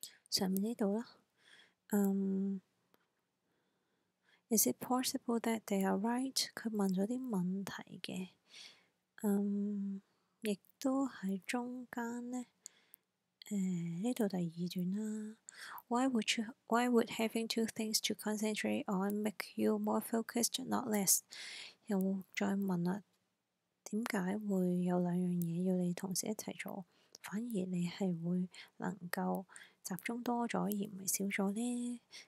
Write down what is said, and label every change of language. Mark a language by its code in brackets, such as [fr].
[yue] 费解令人充满疑惑的一个非常困惑的一些观察，有没有讲到是令人很疑惑的观察呢？我们看回上面这里。 [en] Is it possible that they are right? [yue] 他问了一些问题的，亦都在中间呢，这里第二段啦。 [en] Why would having two things to concentrate on make you more focused, not less? [yue] 又再问了，为什么会有两样东西要你同时一起做，反而你是会能够 集中多了而不是少了呢?